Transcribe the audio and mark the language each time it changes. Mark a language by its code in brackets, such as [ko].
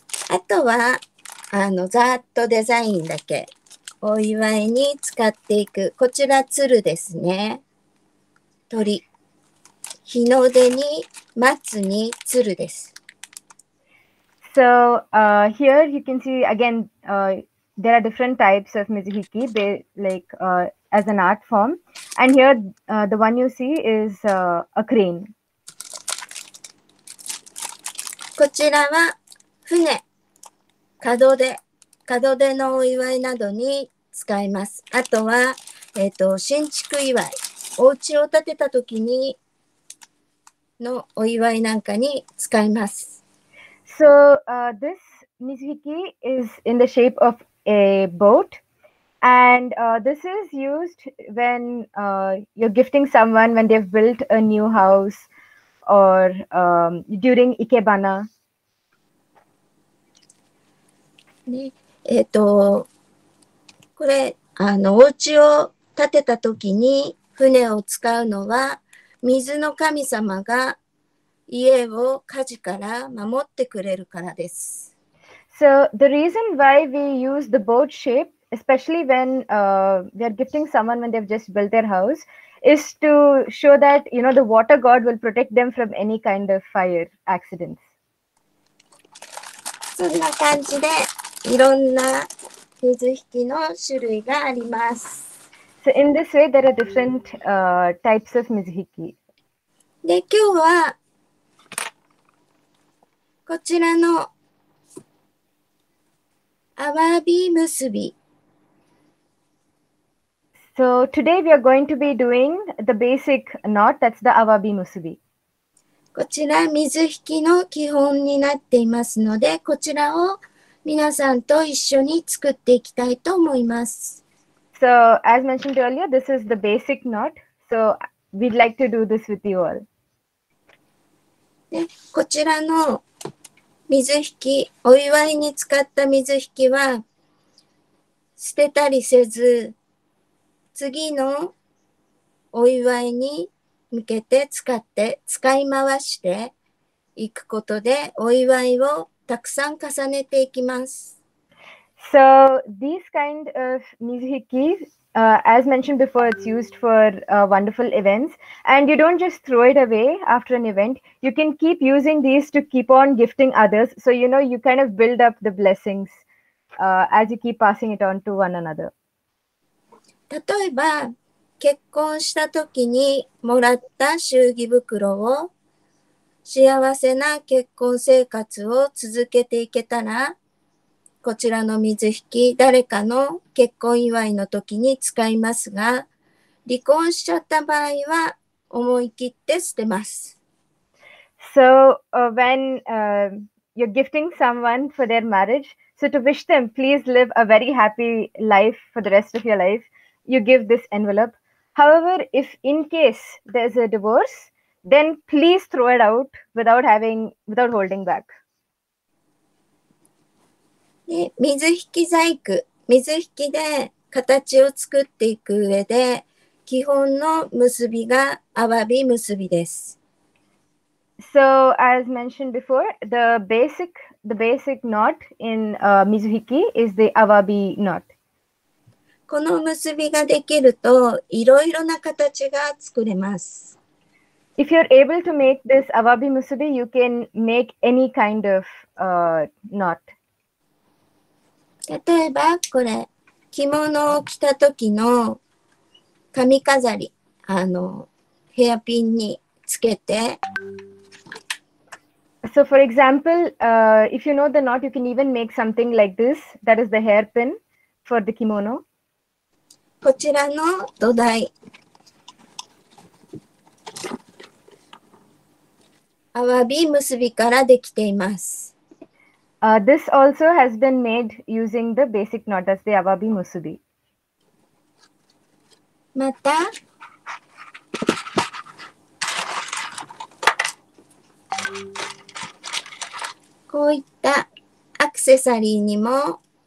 [ja] あとは、ざっとデザインだけ、お祝いに使っていく。こちら、鶴ですね。鳥。日の出に、松に鶴です。 [en] So, here you can see again, there are different types of mizuhiki, like, as an art form. And here, the one you see is a crane. [ja] こちらは船、門出のお祝いなどに使います。あとは、新築祝い、お家を建てた時にのお祝いなんかに使います。 [en] So, this mizuhiki is in the shape of a boat. And this is used when you're gifting someone when they've built a new house or during ikebana. [ja] ね、これお家を建てた時に船を使うのは水の神様が家を火事から守ってくれるからです。 [en] So the reason why we use the boat shape, especially when we are gifting someone when they've just built their house, is to show that you know the water god will protect them from any kind of fire accidents. [ja] そんな感じでいろんな水引きの種類があります。 [en] So in this way, there are different types of mizuhiki. [ja] で、今日はこちらのアワビ結び。 [en] So today we are going to be doing the basic knot, that's the アワビ結び。 [ja] こちら水引きの基本になっていますので、こちらを皆さんと一緒に作っていきたいと思います。 [en] So, as mentioned earlier, this is the basic knot. So, we'd like to do this with you all. [ja] で、こちらの水引き、お祝いに使った水引きは、捨てたりせず、次のお祝いに向けて使って、使い回していくことで、お祝いをたくさん重ねていきます。 [en] So these kind of mizuhiki, as mentioned before, it's used for wonderful events. And you don't just throw it away after an event. You can keep using these to keep on gifting others. So, you know, you kind of build up the blessings as you keep passing it on to one another. [ja] 例えば、結婚した時にもらった祝儀袋を幸せな結婚生活を続けていけたら、こちらの水引き、誰かの結婚祝いの時に使いますが、離婚しちゃった場合は思い切って捨てます。 [en] So, when you're gifting someone for their marriage, so to wish them, please live a very happy life for the rest of your life, you give this envelope. However, if in case there's a divorce, then please throw it out without holding back. [ja] で水引き細工、水引きで形を作っていく上で、基本の結びがアワビ結びです。 [en] So, as mentioned before, the basic knot in mizuhiki is the awabi knot. [ja] この結びができると、いろいろな形が作れます。 [en] If you're able to make this awabi musubi, you can make any kind of knot. [ja] 例えばこれ、着物を着た時の髪飾り、ヘアピンにつけて。 [en] So for example, if you know the knot, you can even make something like this. That is the hairpin for the kimono. [ja] こちらの土台。アワビ結びからできています。 [en] This also has been made using the basic knot, that's the awabi musubi. [ja] Mata. Koita accessory ni mo.